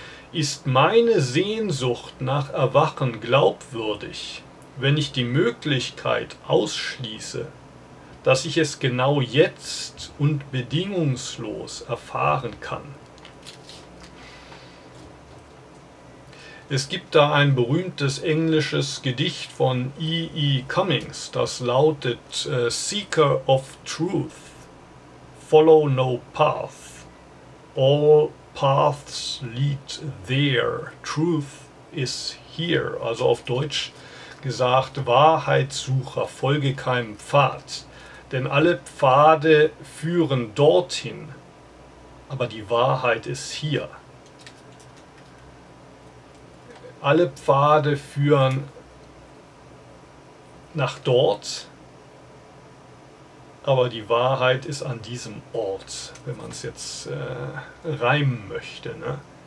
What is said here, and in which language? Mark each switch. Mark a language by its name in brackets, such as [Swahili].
[German] Ist meine Sehnsucht nach Erwachen glaubwürdig, wenn ich die Möglichkeit ausschließe, dass ich es genau jetzt und bedingungslos erfahren kann? Es gibt da ein berühmtes englisches Gedicht von E.E. [English] Cummings, [German] das lautet [English] Seeker of Truth, follow no path, all paths lead there, truth is here. [German] Also auf Deutsch gesagt, Wahrheitssucher, folge keinem Pfad, denn alle Pfade führen dorthin, aber die Wahrheit ist hier. Alle Pfade führen nach dort, aber die Wahrheit ist an diesem Ort, wenn man es jetzt reimen möchte. Ne?